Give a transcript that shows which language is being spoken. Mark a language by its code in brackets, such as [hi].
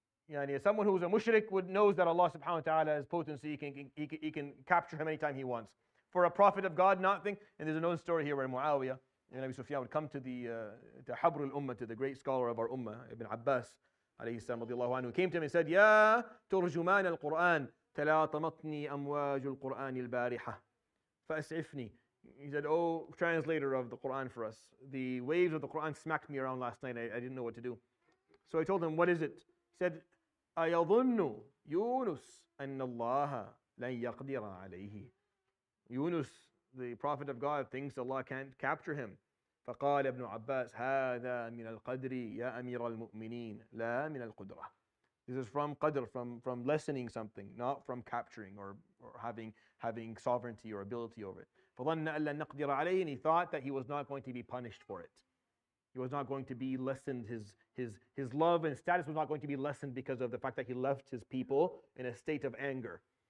[en] Yani someone who's a mushrik would knows that Allah subhanahu wa ta'ala has potency, he can capture him anytime he wants. For a prophet of God not think, and there's an old story here where Muawiyah and Abu Sufyan would come to the Habr al-Ummah, to the great scholar of our Ummah, Ibn Abbas, alayhi salam radiallahu anhu, who came to him and said, Ya Turjuman al-Quran. [ar] تلاطمتني أمواج القرآن البارحة فأسعفني. [en] He said, oh, translator of the Quran for us, the waves of the Quran smacked me around last night, I didn't know what to do. So I told him, what is it? He said, [ar] أيظن يونس أن الله لن يقدر عليه. [en] Yunus, the prophet of God, thinks Allah can't capture him. [ar] فقال ابن عباس هذا من القدر يا أمير المؤمنين لا من القدرة. [en] This is from qadr, from lessening something, not from capturing or having sovereignty or ability over it. [ar] فَظَنَّ أَلَّا نَقْدِرَ عَلَيْهِ, [en] and he thought that he was not going to be punished for it. He was not going to be lessened, his love and status was not going to be lessened because of the fact that he left his people in a state of anger.